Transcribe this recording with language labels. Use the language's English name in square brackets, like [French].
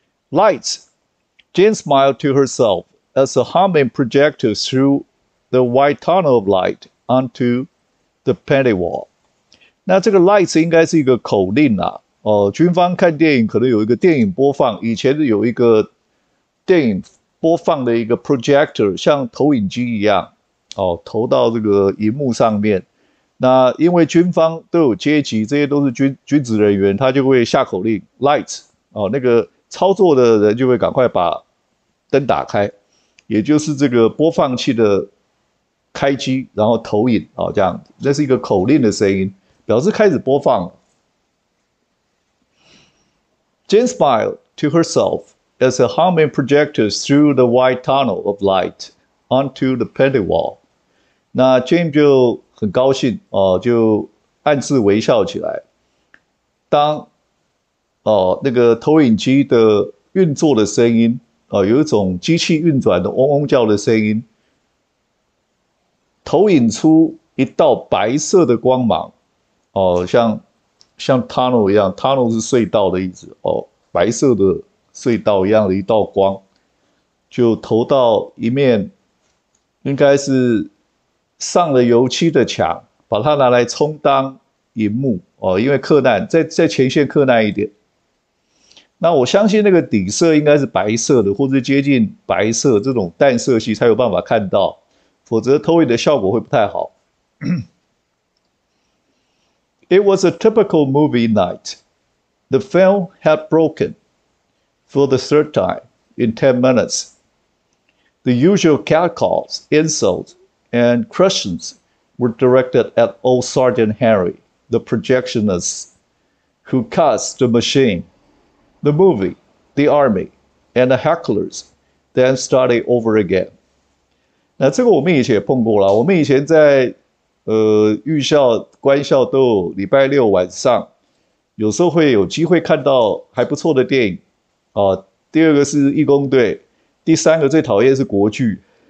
[English] Lights, Jane smiled to herself as a humming projector threw the white tunnel of light onto the paneling wall。 [Chinese] 那这个 lights 应该是一个口令啦。军方看电影可能有一个电影播放，以前有一个电影播放的一个 projector，像投影机一样，投到这个荧幕上面。那因为军方都有阶级，这些都是军职人员，他就会下口令 lights，那个操作的人就会赶快把灯打开，也就是这个播放器的开机，然后投影，这样，这是一个口令的声音，表示开始播放了。 [English] Jane smiled to herself as a humming projector threw the white tunnel of light onto the painted wall。 [Chinese] 那 Jane 就很高兴就暗自微笑起来。当那个投影机的运作的声音有一种机器运转的嗡嗡叫的声音，投影出一道白色的光芒像 tunnel 一样，tunnel 是隧道的意思白色的隧道一样的一道光，就投到一面，应该是上了油漆的墙，把它拿来充当荧幕因为柯南在前线柯南一点。那我相信那个底色应该是白色的，或者接近白色这种淡色系才有办法看到，否则投影的效果会不太好。 [English] It was a typical movie night. The film had broken for the third time in 10 minutes. The usual catcalls, insults, and questions were directed at old Sergeant Henry, the projectionist who cuts the machine, the movie, the army, and the hecklers, then started over again. [Chinese] 那这个我们以前也碰过了，我们以前在预校、官校都有礼拜六晚上。有时候会有机会看到还不错的电影，第二个是义工队，第三个最讨厌是国剧。